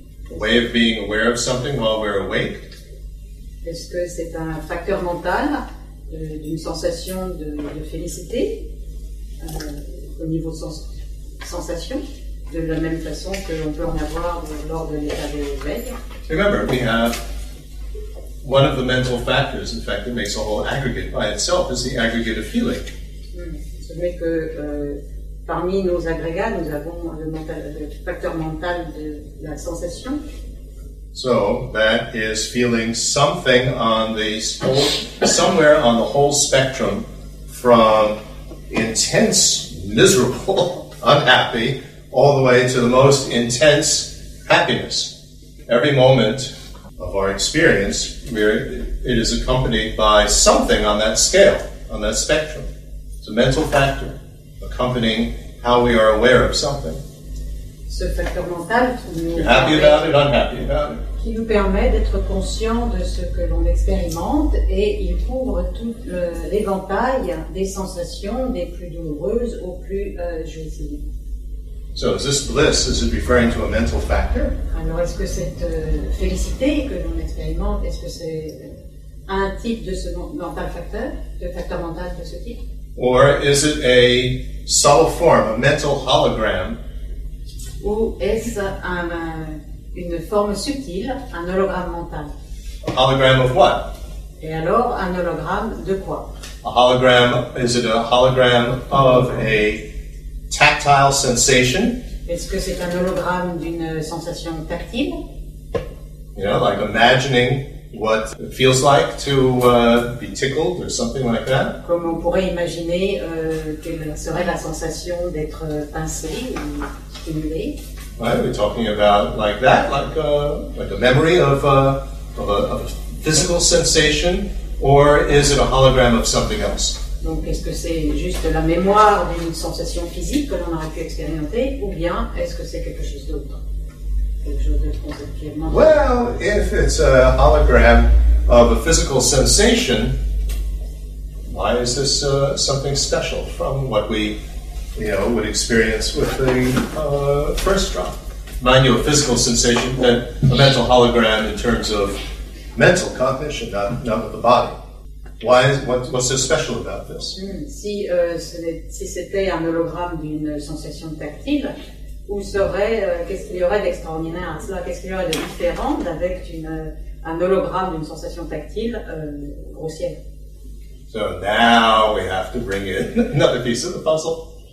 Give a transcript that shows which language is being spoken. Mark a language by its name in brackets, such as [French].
[English] A way of being aware of something while we're awake? [French] Est-ce que c'est un facteur mental d'une sensation de félicité au niveau sensation de la même façon que l'on peut en avoir lors de l'état de veille. [English] Remember, we have one of the mental factors, in fact, that makes a whole aggregate by itself is the aggregate of feeling. [French] C'est vrai que parmi nos agrégats, nous avons le, mental, le facteur mental de la sensation. [English] So that is feeling something on the somewhere on the whole spectrum, from intense miserable unhappy all the way to the most intense happiness. Every moment of our experience, it is accompanied by something on that scale, on that spectrum. It's a mental factor accompanying how we are aware of something. [French] Ce facteur mental qui nous [English] happy about it, unhappy about it. [French] Qui nous permet d'être conscient de ce que l'on expérimente, et il couvre tout l'éventail des sensations, des plus douloureuses aux plus jouissives. [English] So is this bliss, is it referring to a mental factor? [French] Alors est-ce que cette félicité que l'on expérimente, est-ce que c'est un type de ce mental facteur, de facteur mental de ce type? [English] Or is it a subtle form, a mental hologram? [French] Ou est-ce une forme subtile, un hologramme mental. [English] A hologram of what? [French] Et alors, un hologramme de quoi? [English] A hologram, is it a hologram of a tactile sensation? [French] Est-ce que c'est un hologramme d'une sensation tactile? [English] You know, like imagining what it feels like to be tickled or something like that? [French] Comme on pourrait imaginer quelle serait la sensation d'être pincé ou stimulé? [English] Right, we're talking about like that, like a memory of a physical sensation, or is it a hologram of something else? [French] Donc, est-ce que c'est juste la mémoire d'une sensation physique que l'on aurait pu expérimenter, ou bien est-ce que c'est quelque chose d'autre? Quelque chose de conceptuellement. [English] Well, if it's a hologram of a physical sensation, why is this something special from what we? You know, would experience with the first drop. Mind you, a physical sensation, then a mental hologram in terms of mental cognition, not with the body. What's so special about this? [French] Si c'était un hologramme d'une sensation tactile, où serait, qu'est-ce qu'il y aurait d'extraordinaire à cela? Qu'est-ce qu'il y aurait de différent avec un hologramme d'une sensation tactile grossière? [English] So now we have to bring in another piece of the puzzle.